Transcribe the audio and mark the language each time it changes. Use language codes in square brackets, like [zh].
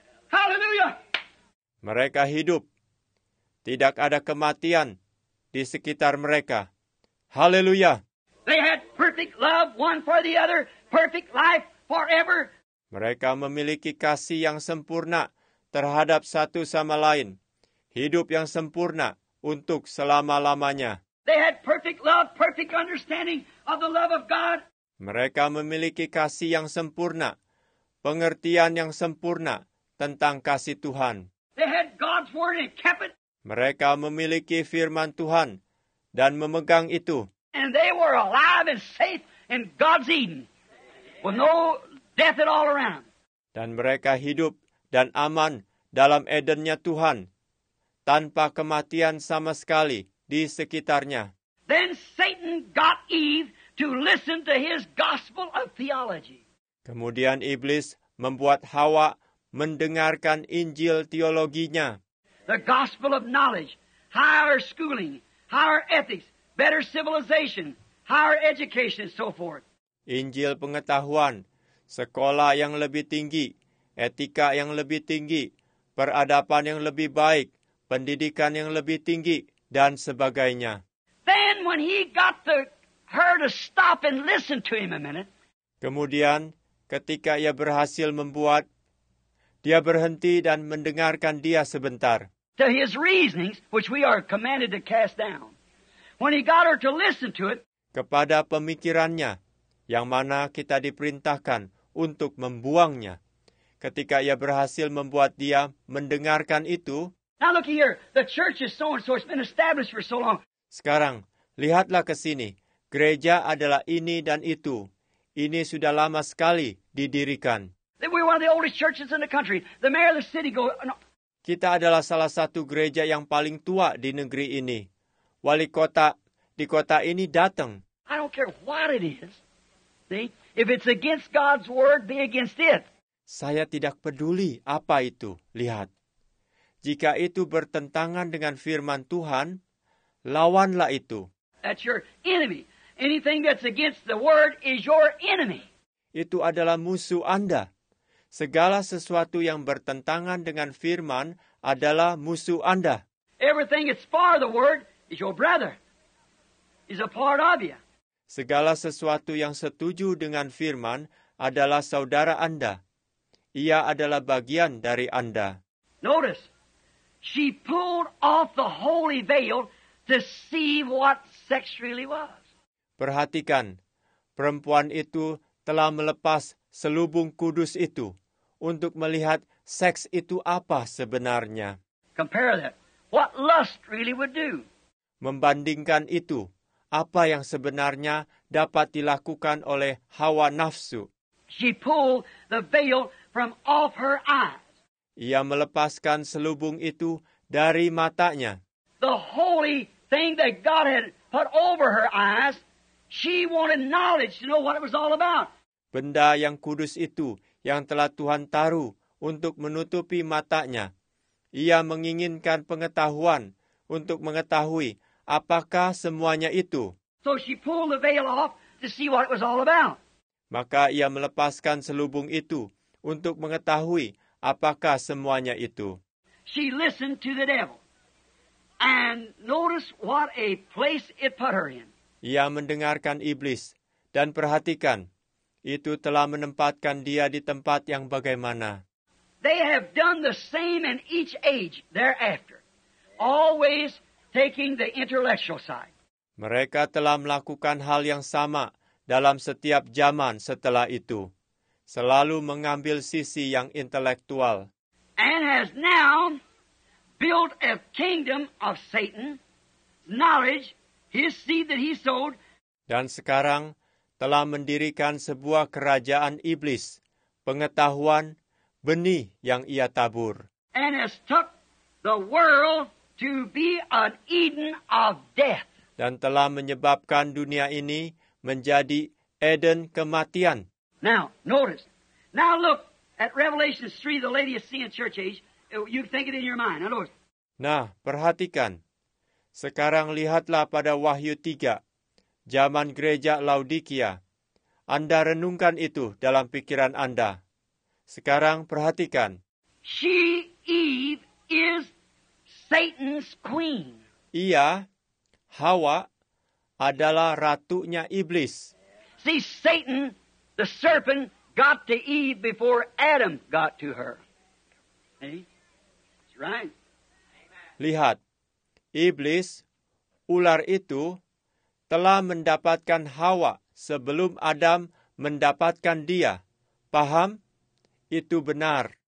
[en] Hallelujah. [id] Mereka hidup. Tidak ada kematian di sekitar mereka. Hallelujah. [en] They had perfect love one for the other, perfect life forever. [id] Mereka memiliki kasih yang sempurna terhadap satu sama lain. Hidup yang sempurna untuk selama-lamanya. [en] They had perfect love, perfect understanding of the love of God. [id] Mereka memiliki kasih yang sempurna, pengertian yang sempurna tentang kasih Tuhan. [en] They had God's word and kept it. [id] Mereka memiliki firman Tuhan dan memegang itu. [en] And they were alive and safe in God's Eden with no death at all around. [id] Dan mereka hidup dan aman dalam Edennya Tuhan, tanpa kematian sama sekali di sekitarnya. [en] Then Satan got Eve to listen to his gospel of theology. [id] Kemudian iblis membuat Hawa mendengarkan Injil teologinya. [en] The gospel of knowledge, higher schooling, higher ethics, better civilization, higher education, so forth. [id] Injil pengetahuan, sekolah yang lebih tinggi, etika yang lebih tinggi, peradaban yang lebih baik, pendidikan yang lebih tinggi, dan sebagainya. [en] Then when he got her to stop and listen to him a minute. [id] Kemudian, ketika ia berhasil membuat, dia berhenti dan mendengarkan dia sebentar. [en] To his reasonings, which we are commanded to cast down. When he got her to listen to it. [id] Kepada pemikirannya, yang mana kita diperintahkan untuk membuangnya. Ketika ia berhasil membuat dia mendengarkan itu. [en] Now look here, the church is so and so, it's been established for so long. [id] Sekarang, lihatlah ke sini. Gereja adalah ini dan itu. Ini sudah lama sekali didirikan. [en] We're one of the oldest churches in the country. The mayor of the city goes. No. [id] Kita adalah salah satu gereja yang paling tua di negeri ini. Wali kota di kota ini datang. [en] I don't care what it is. See, if it's against God's word, be against it. [id] Saya tidak peduli apa itu. Lihat. Jika itu bertentangan dengan firman Tuhan, lawanlah itu. [en] That's your enemy. Anything that's against the word is your enemy. [id] Itu adalah musuh Anda. Segala sesuatu yang bertentangan dengan firman adalah musuh Anda. [en] Everything that's for the word is your brother. Is a part of you. [id] Segala sesuatu yang setuju dengan firman adalah saudara Anda. Ia adalah bagian dari Anda. [en] Notice, she pulled off the holy veil to see what sex really was. [id] Perhatikan, perempuan itu telah melepas selubung kudus itu untuk melihat seks itu apa sebenarnya. [en] Compare that. What lust really would do. [id] Membandingkan itu, apa yang sebenarnya dapat dilakukan oleh hawa nafsu. [en] She pulled the veil from off her eyes. [id] Ia melepaskan selubung itu dari matanya. [en] The holy thing that God had put over her eyes, she wanted knowledge to know what it was all about. [id] Benda yang kudus itu yang telah Tuhan taruh untuk menutupi matanya. Ia menginginkan pengetahuan untuk mengetahui apakah semuanya itu. [en] So she pulled the veil off to see what it was all about. [id] Maka ia melepaskan selubung itu untuk mengetahui apakah semuanya itu. [en] She listened to the devil. And notice what a place it put her in. [id] Ia mendengarkan iblis dan perhatikan, itu telah menempatkan dia di tempat yang bagaimana. [en] They have done the same in each age thereafter. Always taking the intellectual side. [id] Mereka telah melakukan hal yang sama dalam setiap zaman setelah itu. Selalu mengambil sisi yang intelektual. [en] And has now built a kingdom of Satan, knowledge, his seed that he sowed. [id] Dan sekarang telah mendirikan sebuah kerajaan iblis, pengetahuan, benih yang ia tabur. [en] And has took the world to be an Eden of death. [id] Dan telah menyebabkan dunia ini menjadi Eden kematian. [en] Now, notice. Now look at Revelation 3, the Laodicean church age. You think it in your mind. Notice. [id] Nah, perhatikan. Sekarang lihatlah pada Wahyu 3, zaman gereja Laodikia. Anda renungkan itu dalam pikiran Anda. Sekarang perhatikan. [en] She, Eve, is Satan's queen. [id] Ia, Hawa, adalah ratunya iblis. [en] See, Satan, the serpent, got to Eve before Adam got to her. See? That's right. [id] Lihat, iblis, ular itu, telah mendapatkan Hawa sebelum Adam mendapatkan dia. Paham? Itu benar.